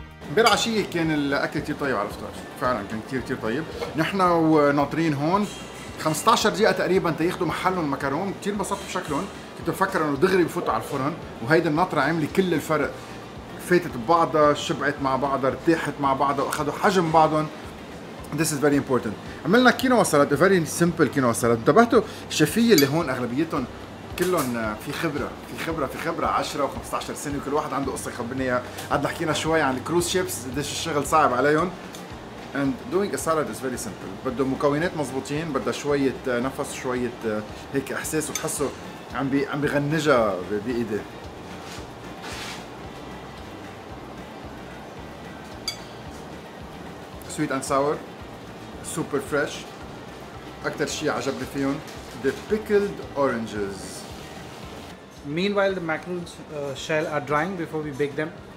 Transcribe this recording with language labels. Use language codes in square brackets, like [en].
[ar] امبارح عشية كان الأكل كتير طيب على الفطار، فعلاً كان كتير كتير طيب، نحن وناطرين هون 15 دقيقة تقريباً تياخذوا محلهم المكرون، كتير انبسطت بشكلهم، كنت بفكر إنه دغري بفوتوا على الفرن، وهيدي الناطرة عاملة كل الفرق، فاتت ببعضها، شبعت مع بعضها، ارتاحت مع بعضها، وأخذوا حجم بعضهم. [en] This is very important. [ar] عملنا كينوا سلاد، [en] very simple [ar] كينوا سلاد، انتبهتوا الشفية اللي هون أغلبيتهم كلهم في خبرة في خبرة في خبرة 10 و 15 سنة وكل واحد عنده قصة خبنية. قعدنا حكينا شوي عن الكروز شيبس قديش الشغل صعب عليهم. [en] And doing a salad is very simple. [ar] بده مكونات مظبوطين، بده شوية نفس، شوية هيك إحساس، وتحسه عم بغنجها بإيده. [en] Sweet and sour. Super fresh. [ar] أكثر شيء عجبني فيهم [en] the pickled oranges. Meanwhile, the macarons shell are drying before we bake them.